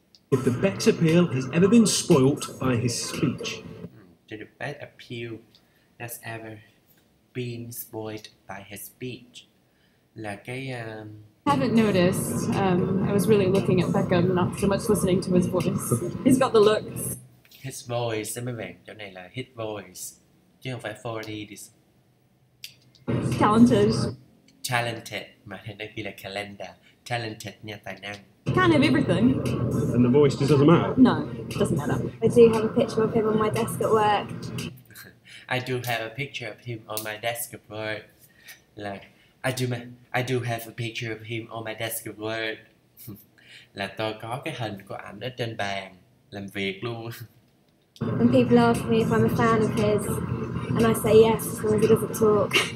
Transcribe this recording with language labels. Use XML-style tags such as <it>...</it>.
<en>if the Bex appeal has ever been spoilt by his speech. Did the Bex appeal has ever been spoiled by his speech? Like I haven't noticed. I was really looking at Beckham, not so much listening to his voice. He's got the looks. His voice,</en> <vi>xin mời bạn, chỗ này là</vi> <en>his voice,</en> <vi>chứ không phải</vi> <en>40 this. Talented.</en> <vi>Mà thì nó ghi là calendar. Talented nha, tài năng.</vi> <en>Kind of everything. And the voice just doesn't matter. No, it doesn't matter. I do have a picture of him on my desk at work. I do have a picture of him on my desk at work. Like, I do have a picture of him on my desk at work.</en> <vi>Là tôi có cái hình của ảnh ở trên bàn làm việc luôn.</vi> <en>And people ask me if I'm a fan of his, and I say yes, because he doesn't talk.</en>